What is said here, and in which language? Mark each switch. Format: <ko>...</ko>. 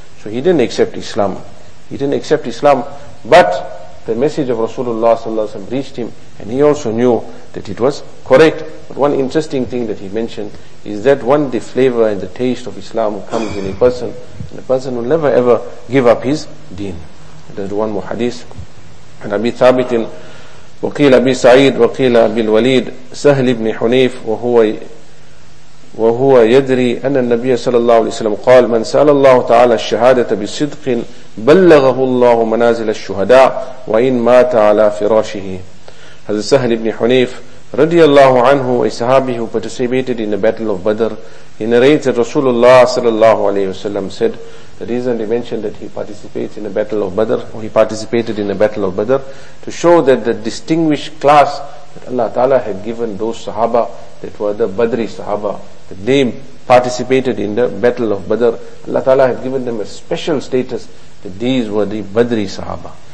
<en>So he didn't accept Islam. He didn't accept Islam, but the message of Rasulullah sallallahu alaihi wasallam reached him, and he also knew that it was correct. But one interesting thing that he mentioned is that when the flavor and the taste of Islam comes in a person, The person will never ever give up his deen. There's one more hadith.</en> <ar>And Abi Thabit, وقيل أبي سعيد وقيل أبي الوليد سهل بن حنيف وهو يدري أن النبي صلى الله عليه وسلم قال من سأل الله تعالى الشهادة بصدق بلغه الله منازل الشهداء وإن مات على فراشه. هذا سهل بن حنيف رضي الله عنه وصحابه</ar> <en>who participated in the battle of Badr, he narrated Rasulullah صلى الله عليه وسلم said, the reason he mentioned that he participates in the battle of Badr, or he participated in the battle of Badr, to show that the distinguished class that Allah Ta'ala had given those Sahaba that were the Badri Sahaba, that they participated in the battle of Badr, Allah Ta'ala had given them a special status that these were the Badri Sahaba.</en>